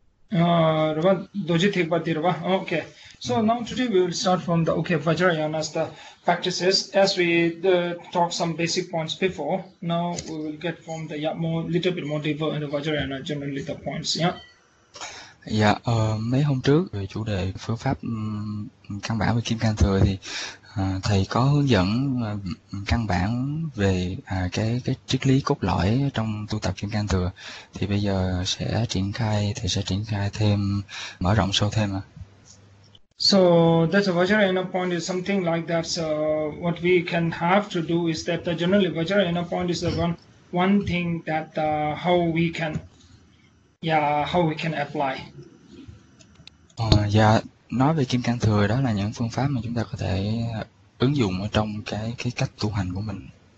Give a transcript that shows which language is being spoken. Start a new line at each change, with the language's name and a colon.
Vietnamese: Rồi đôi chút thì bắt đi rồi.
English: Okay. So now today we will start from the okay Vajrayana's the practices as we talk some basic points before. Now we will get from the more little bit more deeper in the Vajrayana generally the points.
Vietnamese: Dạ, mấy hôm trước về chủ đề phương pháp căn bản về Kim Cang Thừa thì thầy có hướng dẫn căn bản về cái triết lý cốt lõi trong tu tập Kim Cang Thừa, thì bây giờ sẽ triển khai thầy sẽ triển khai thêm, mở rộng sâu thêm ạ.
English: So that's a Vajrayana point is something like that. So what we can have to do is that the generally Vajrayana point is the one thing that how we can apply.
Vietnamese: Dạ, nói về Kim Cang Thừa đó là những phương pháp mà chúng ta có thể ứng dụng ở trong cái cách tu hành của mình.